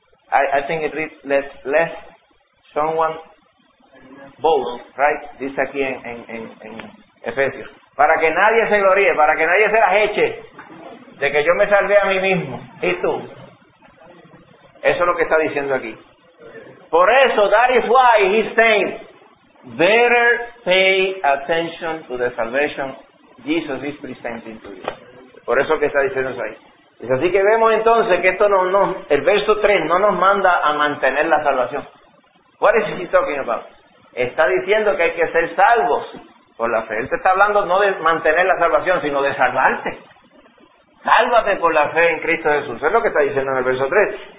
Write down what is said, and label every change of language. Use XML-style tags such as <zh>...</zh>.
<en>I think it reads let someone boast, right?</en> <es>Dice aquí en Efesios. Para que nadie se gloríe, para que nadie se la eche de que yo me salvé a mí mismo. ¿Y tú? Eso es lo que está diciendo aquí. Por eso,</es> <en>that is why he's saying, better pay attention to the salvation Jesus is presenting to you.</en> <es>Por eso que está diciendo eso ahí. Es así que vemos entonces que esto no, el verso 3 no nos manda a mantener la salvación.</es> <en>What is he talking about?</en> <es>Está diciendo que hay que ser salvos por la fe. Él te está hablando no de mantener la salvación, sino de salvarte. Sálvate por la fe en Cristo Jesús. Es lo que está diciendo en el verso 3.</es>